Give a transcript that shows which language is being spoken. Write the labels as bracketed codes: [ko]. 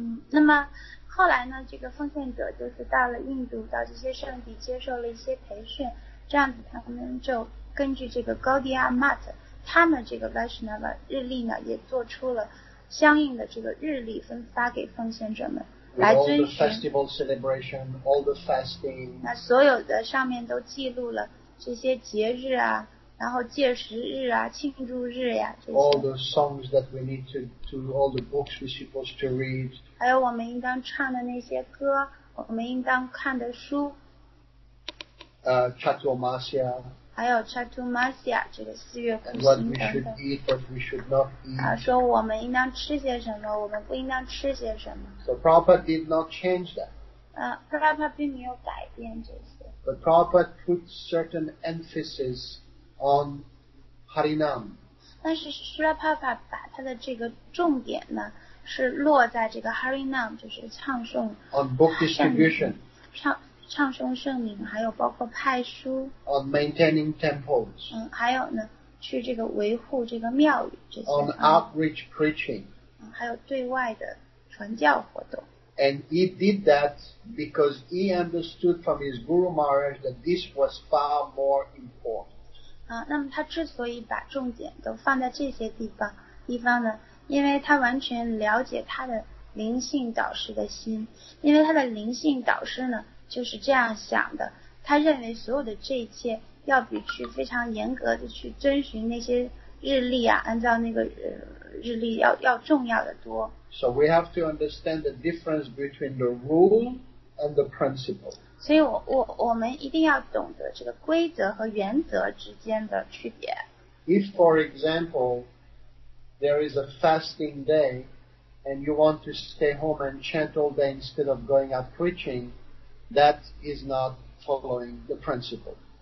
[zh] 那么后来呢，这个奉献者就是到了印度，到这些圣地接受了一些培训，这样子他们就根据这个 Gaudiya Mart， 他们这个 Vaishnav 日历呢，也做出了相应的这个日历，分发给奉献者们。 [en] With all the festival celebration, all the fasting. [zh] 那所有的上面都记录了这些节日啊，然后戒食日啊，庆祝日呀、啊。 [en] All the songs that we need to do, all the books we're supposed to read. [zh] 还有我们应当唱的那些歌，我们应当看的书。 [en] Chaturmasya. [zh] 还有 Chaturmasya 这个四月苦行等等。 [en] What we should eat, what we should not eat. [zh] 啊，说我们应当吃些什么，我们不应当吃些什么。 [en] So Prabhupada did not change that. [zh] Prabhupada 并没有改变这些。 [en] But Prabhupada put certain emphasis on Harinam. [zh] 但是 Srila Prabhupada 把他的这个重点呢，是落在这个 Harinam， 就是唱诵。 [en] On book distribution. [zh] 唱诵圣名，还有包括派书。 [en] On maintaining temples. [zh] 还有呢，去这个维护这个庙宇这些。 [en] On outreach preaching. [zh] 还有对外的。传教活动。 [en] And he did that because he understood from his Guru Maharaj that this was far more important. [zh] 那么他之所以把重点都放在这些地方呢，因为他完全了解他的灵性导师的心，因为他的灵性导师呢就是这样想的，他认为所有的这一切要比去非常严格的去遵循那些日历啊，按照那个日历要重要的多。 [en] So we have to understand the difference between the rule and the principle. [zh] 所以我们一定要懂得这个规则和原则之间的区别。 [en] If, for example, there is a fasting day and you want to stay home and chant all day instead of going out preaching, that is not following the principle.